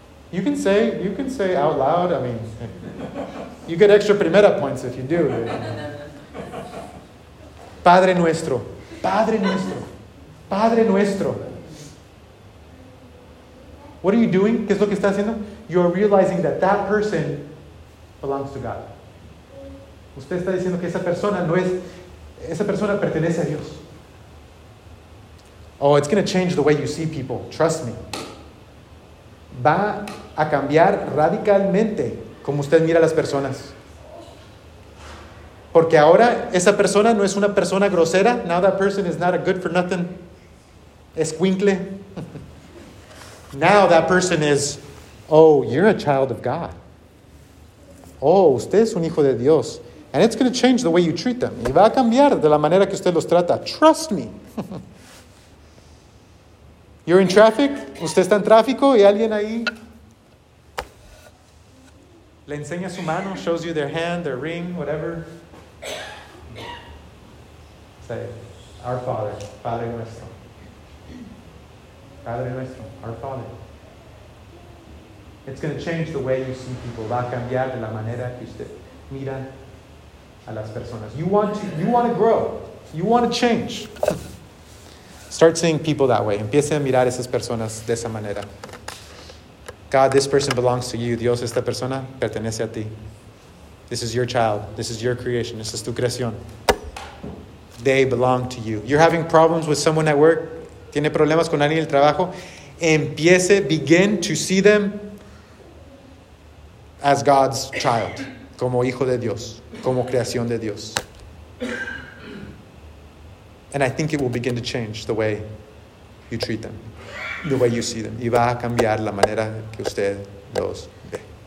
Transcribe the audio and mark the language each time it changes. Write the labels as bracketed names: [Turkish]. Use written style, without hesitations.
[English] You can say out loud. I mean, you get extra primera points if you do. [Spanish] Padre Nuestro. Padre Nuestro. Padre Nuestro. [English] What are you doing? [Spanish] ¿Qué es lo que está haciendo? [English] You are realizing that that person belongs to God. [Spanish] Usted está diciendo que esa persona no es... Esa persona pertenece a Dios. [English] Oh, it's going to change the way you see people. Trust me. [Spanish] Va a cambiar radicalmente como usted mira a las personas. Porque ahora esa persona no es una persona grosera. [English] Now that person is not a good for nothing. Escuincle. Now that person is, oh, you're a child of God. [Spanish] Oh, usted es un hijo de Dios. [English] And it's going to change the way you treat them. [Spanish] Y va a cambiar de la manera que usted los trata. [English] Trust me. You're in traffic. [Spanish] Usted está en tráfico y alguien ahí le enseña su mano, [English] shows you their hand, their ring, whatever. Say, Our Father, [Spanish] Padre Nuestro. Padre nuestro, [English] our Father. It's going to change the way you see people. [Spanish] Va a cambiar de la manera que usted mira a las personas. [English] You want to grow. You want to change. Start seeing people that way. [Spanish] Empiece a mirar a esas personas de esa manera. [English] God, this person belongs to you. [Spanish] Dios, esta persona pertenece a ti. [English] This is your child. This is your creation. This is [Spanish] tu creación. [English] They belong to you. You're having problems with someone at work. [Spanish] Tiene problemas con alguien en el trabajo. Empiece, [English] begin to see them as God's child. [Spanish] Como hijo de Dios. Como creación de Dios. [English] And I think it will begin to change the way you treat them. The way you see them. [Spanish] Y va a cambiar la manera que usted los ve.